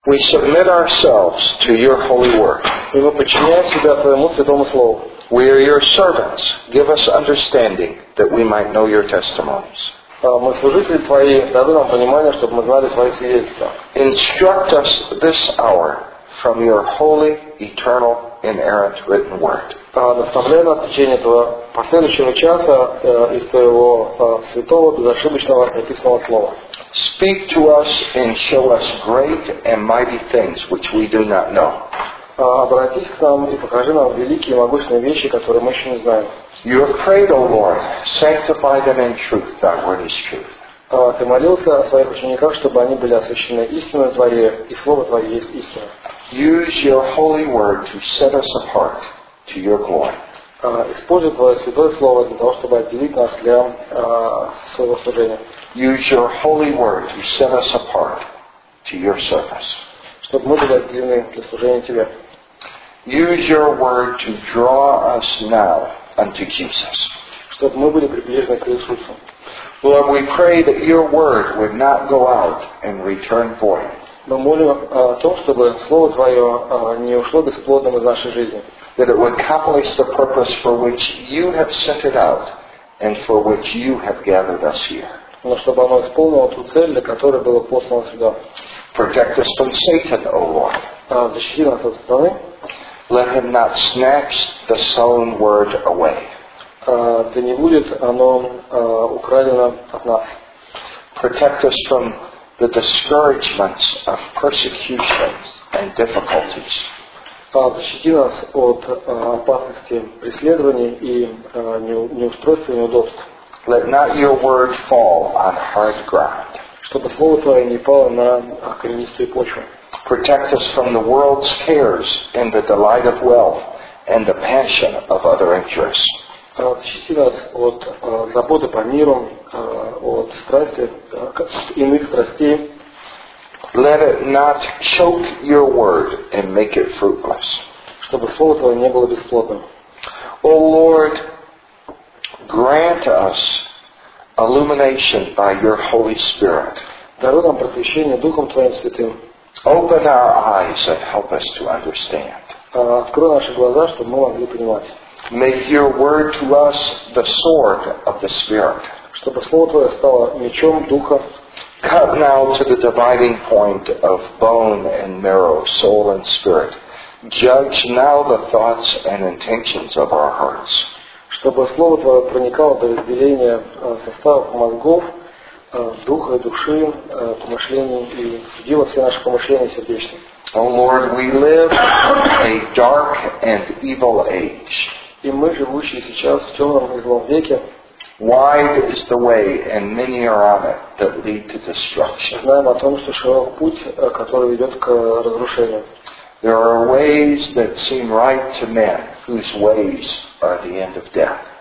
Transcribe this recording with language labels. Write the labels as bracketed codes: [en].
[en] We submit ourselves to your holy word. [ru] И мы подчиняем себя твоему святому слову. [en] We are your servants. Give us understanding that we might know your testimonies. [ru] Мы служители твои, дай нам понимание, чтобы мы знали твои свидетельства. [en] Instruct us this hour from your holy, eternal, inerrant written word. [ru] Наставляй нас в течение этого последующего часа из твоего святого, безошибочного, записанного слова. [en] Speak to us and show us great and mighty things which we do not know. [ru] Обратись к нам и покажи нам великие и могущественные вещи, которые мы еще не знаем. [en] You have prayed, O Lord, sanctify them in truth. Thy word is truth. [ru] Ты молился о своих учениках, чтобы они были освящены истиной Твоей, и Слово Твое есть истина. [en] Use your holy word to set us apart to your glory. [ru] Используй Твое святое Слово для того, чтобы отделить нас для своего служения. [en] Use your holy word to set us apart to your service. [ru] Чтобы мы были отделены для служения Тебе. [en] Use your word to draw us now unto Jesus. [ru] Чтобы мы были приближены к Иисусу. [en] Lord, we pray that your word would not go out and return void. [ru] Мы молим о том, чтобы слово Твое не ушло бесплодным из нашей жизни. [en] That it would accomplish the purpose for which you have sent it out and for which you have gathered us here. [ru] Но чтобы оно исполнило ту цель, для которой было послано сюда. [en] Protect us from Satan, O Lord. [ru] Защити нас от сатаны. [en] Let him not snatch the sown word away. [ru] Да не будет оно украдено от нас. [en] Protect us from the discouragements of persecution and difficulties. [ru] Защити нас от опасности преследований и неустройств и неудобств. [en] Let not your word fall on hard ground. [ru] Чтобы слово Твое не пало на каменистую почву. [en] Protect us from the world's cares and the delight of wealth and the passion of other interests. [ru] Защити нас от заботы по миру, от страсти, иных страстей. [en] Let it not choke your word and make it fruitless. [ru] Чтобы слово Твое не было бесплодным. [en] O Lord, grant us illumination by your Holy Spirit. [ru] Даруй нам просвещение Духом Твоим Святым. [en] Open our eyes and help us to understand. [ru] Открой наши глаза, чтобы мы могли понимать. [en] Make your word to us the sword of the Spirit. [ru] Чтобы слово Твое стало мечом Духа. [en] Cut now to the dividing point of bone and marrow, soul and spirit. Judge now the thoughts and intentions of our hearts. [ru] Чтобы слово Твое проникало до разделения составов мозгов, духа и души, помышлений и судило все наши помышления сердечные. [en] O Lord, we live a dark and evil age. [ru] И мы живущие сейчас в темном и злом веке. [en] Wide is the way, and many are on it that lead to destruction. [ru] Знаем о том, что широк путь, который ведет к разрушению. [en] There are ways that seem right to men, whose ways are the end of death.